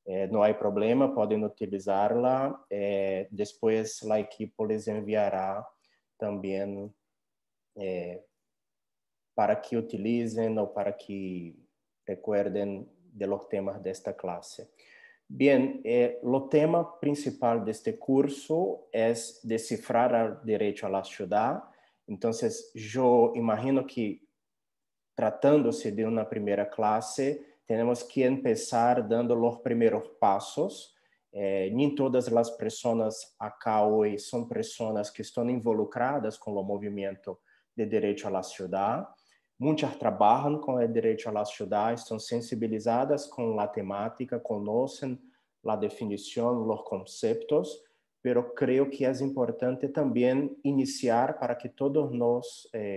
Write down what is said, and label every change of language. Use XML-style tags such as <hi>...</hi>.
<pt>Não há problema, podem utilizá-la. Depois a equipe</pt> <es>les enviará também para que utilizem ou para que recuerden de los temas de esta clase. Bien, lo tema principal de este curso es descifrar el derecho a la ciudad. Entonces, yo imagino que tratándose de una primera clase, tenemos que empezar dando los primeros pasos. Ni todas las personas acá hoy son personas que están involucradas con el movimiento de derecho a la ciudad.</es> <pt>Muitas trabalham com o direito à cidade, estão sensibilizadas com a temática, conhecem a definição, os conceitos, mas creio que é importante também iniciar para que todos nós</pt>